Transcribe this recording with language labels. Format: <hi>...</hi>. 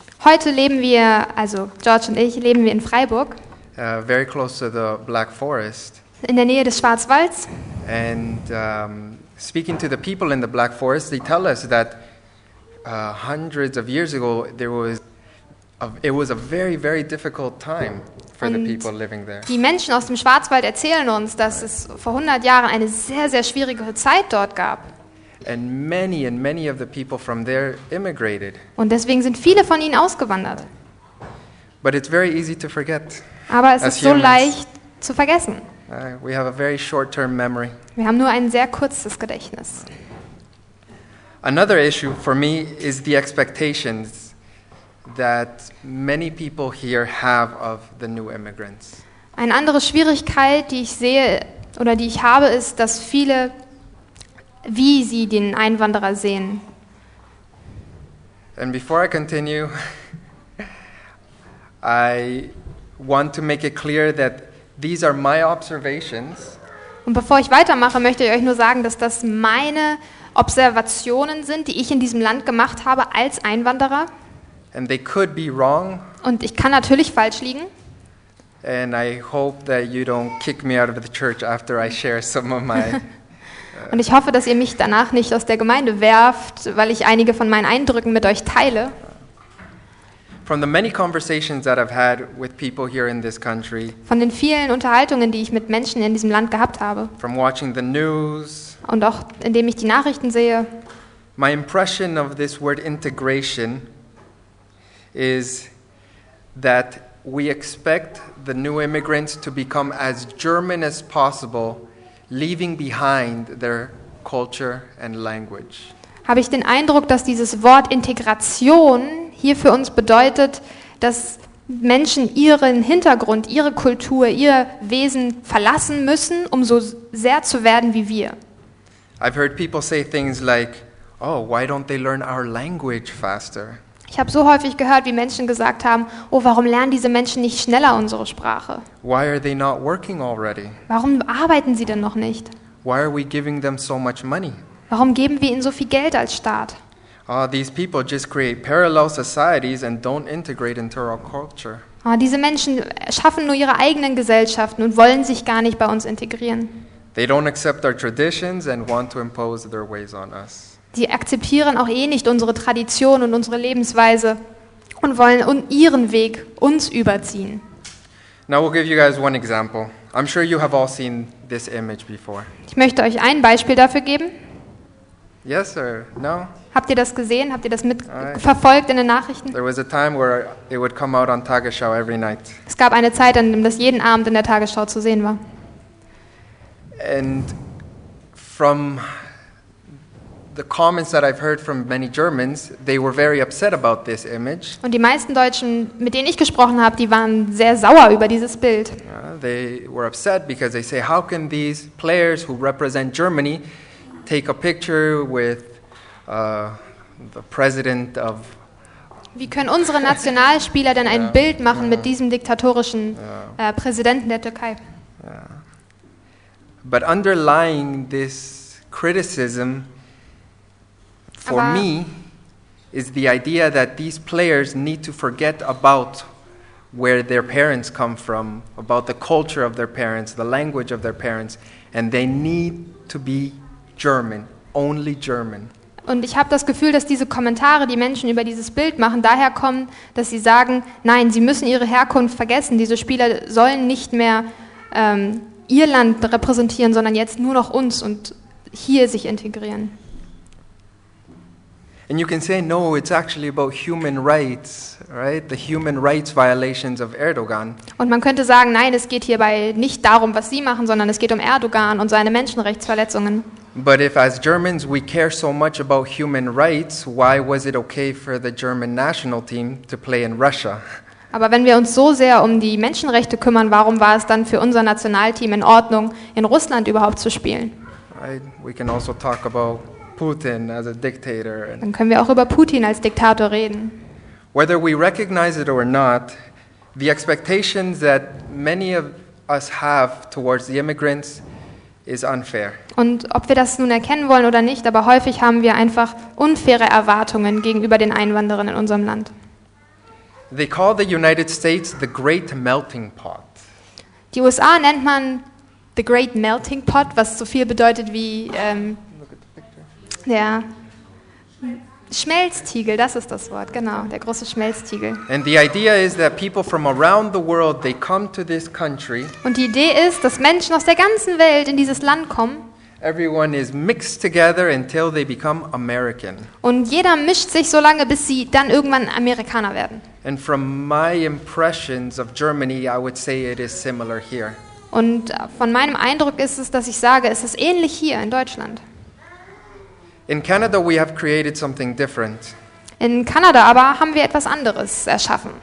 <de>Heute leben wir, also George und ich, leben wir in Freiburg.</de> <en>very close to the Black Forest.</en> <de>In der Nähe des Schwarzwalds.</de> <en>And speaking to the people in the Black Forest, they tell us that hundreds of years ago there was it was a very, very difficult time for</en> <de>und</de> <en>the people living there.</en> <de>Die Menschen aus dem Schwarzwald erzählen uns, dass es vor 100 Jahren eine sehr, sehr schwierige Zeit dort gab.</de> <en>And many of the people from there immigrated.</en> <de>Und deswegen sind viele von ihnen ausgewandert.</de> <en>But it's very easy to forget.</en> <de>Aber es ist so leicht zu vergessen.</de> <en>We have a very short-term memory.</en> <de>Wir haben nur ein sehr kurzes Gedächtnis.</de> <en>Another issue for me is the expectations that many people here have of the new immigrants.</en> <de>Eine andere Schwierigkeit, die ich sehe oder die ich habe, ist, dass viele, wie sie den Einwanderer sehen.</de> <en>And before I continue, I want to make it clear that these are my observations.</en> <de>Und bevor ich weitermache, möchte ich euch nur sagen, dass das meine Observationen sind, die ich in diesem Land gemacht habe als Einwanderer.</de> <en>And they could be wrong.</en> <de>Und ich kann natürlich falsch liegen.</de> <en>And I hope that you don't kick me out of the church after I share some of my.</en> <de>Und ich hoffe, dass ihr mich danach nicht aus der Gemeinde werft, weil ich einige von meinen Eindrücken mit euch teile.</de> <en>From the many conversations that I've had with people here in this country.</en> <de>Von den vielen Unterhaltungen, die ich mit Menschen in diesem Land gehabt habe.</de> <en>From watching the news.</en> <de>Und auch indem ich die Nachrichten sehe.</de> <en>My impression of this word integration is that we expect the new immigrants to become as German as possible, leaving behind their culture and language.</en> <de>Habe ich den Eindruck, dass dieses Wort Integration hier für uns bedeutet, dass Menschen ihren Hintergrund, ihre Kultur, ihr Wesen verlassen müssen, um so sehr zu werden wie wir.</de> <en>I've heard people say things like, oh, why don't they learn our language faster?</en> <de>Ich habe so häufig gehört, wie Menschen gesagt haben, oh, warum lernen diese Menschen nicht schneller unsere Sprache?</de> <en>Why are they not working already?</en> <de>Warum arbeiten sie denn noch nicht?</de> <en>Why are we giving them so much money?</en> <de>Warum geben wir ihnen so viel Geld als Staat?</de> <en>These people just create parallel societies and don't integrate into our culture.</en> <de>Diese Menschen schaffen nur ihre eigenen Gesellschaften und wollen sich gar nicht bei uns integrieren.</de> <en>They don't accept our traditions and want to impose their ways on us.</en> <de>Sie akzeptieren auch eh nicht unsere Tradition und unsere Lebensweise und wollen ihren Weg uns überziehen.</de> <en>Now we'll give you guys one example. I'm sure you have all seen this image before.</en> <de>Ich möchte euch ein Beispiel dafür geben.</de> <en>Yes, sir. No.</en> <de>Habt ihr das gesehen? Habt ihr das mitverfolgt in den Nachrichten?</de> <en>There was a time where it would come out on Tagesschau every night.</en> <de>Es gab eine Zeit, in der das jeden Abend in der Tagesschau zu sehen war.</de> <en>And from the comments that I've heard from many Germans, they were very upset about this image.</en> <de>Und die meisten Deutschen, mit denen ich gesprochen habe, die waren sehr sauer über dieses Bild.</de> <en>They were upset because they say, how can these players who represent Germany take a picture with the president of?</en> <de>Wie können unsere Nationalspieler denn ein Bild machen mit diesem diktatorischen Präsidenten der Türkei?</de> <en>Yeah. But underlying this criticism for me is the idea that these players need to forget about where their parents come from, about the culture of their parents, the language of their parents, and they need to be German, only German.</en> <de>Und ich habe das Gefühl, dass diese Kommentare, die Menschen über dieses Bild machen, daher kommen, dass sie sagen, nein, sie müssen ihre Herkunft vergessen, diese Spieler sollen nicht mehr ihr Land repräsentieren, sondern jetzt nur noch uns und hier sich integrieren.</de> <en>And you can say, no, it's actually about human rights, right? The human rights violations of Erdogan.</en> <de>Und man könnte sagen, nein, es geht hierbei nicht darum, was Sie machen, sondern es geht um Erdogan und seine Menschenrechtsverletzungen.</de> <en>But if as Germans we care so much about human rights, why was it okay for the German national team to play in Russia?</en> <de>Aber wenn wir uns so sehr um die Menschenrechte kümmern, warum war es dann für unser Nationalteam in Ordnung, in Russland überhaupt zu spielen?</de> <en>Right. We can also talk about Putin as a dictator.</en> <de>Dann können wir auch über Putin als Diktator reden.</de> <en>Whether we recognize it or not, the expectations that many of us have towards the immigrants is unfair.</en> <de>Und ob wir das nun erkennen wollen oder nicht, aber häufig haben wir einfach unfaire Erwartungen gegenüber den Einwanderern in unserem Land.</de> <en>They call the United States the great melting pot.</en> <de>Die USA nennt man</de> <en>the Great Melting Pot,</en> <de>was so viel bedeutet wie der Schmelztiegel, das ist das Wort, genau, der große Schmelztiegel.</de> <en>And the idea is that people from around the world, they come to this country.</en> <de>Und die Idee ist, dass Menschen aus der ganzen Welt in dieses Land kommen.</de> <en>Everyone is mixed together until they become American.</en> <de>Und jeder mischt sich so lange, bis sie dann irgendwann Amerikaner werden.</de> <en>And from my impressions of Germany, I would say it is similar here.</en> <de>Und von meinem Eindruck ist es, dass ich sage, es ist ähnlich hier in Deutschland.</de> <en>In Canada we have created something different.</en> <de>In Kanada aber haben wir etwas anderes erschaffen.</de>